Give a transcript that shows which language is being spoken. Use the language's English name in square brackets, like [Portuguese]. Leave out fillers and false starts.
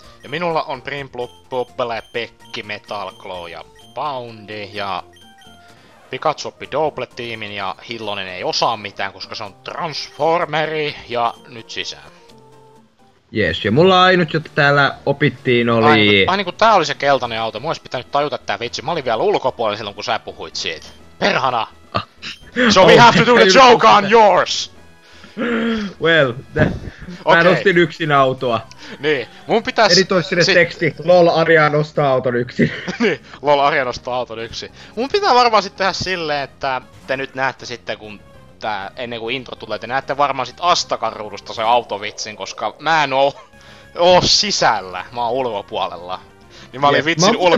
[Finnish] Ja minulla on Primplup, Poppele, Pekki, Metalclaw ja Poundi, ja Pikachu oppi Doble-tiimin, ja Hillonen ei osaa mitään, koska se on Transformeri, ja nyt sisään. Jees, ja mulla ainut, jota täällä opittiin, oli... Ai niinku tää oli se keltainen auto, mun olisi pitänyt tajuta tää vitsi, mä olin vielä ulkopuolella silloin, kun sä puhuit siitä. Perhana! [English] So we have to do the joke on yours! [Finnish] Well, mä nostin okay. Yksin autoa. Niin, mun pitäis... Editoisi sinne teksti, lol, Arja nostaa auton yksin. Niin, lol, Arja nostaa auton yksin. Mun pitää varmaan sitten tehdä silleen, että te nyt näette sitten, kun tää, ennen kuin intro tulee, te näette varmaan sitten Astakan ruudusta sen autovitsin, koska mä en oo sisällä, mä oon ulkopuolella. Niin mä olin vitsin ulkopuolella.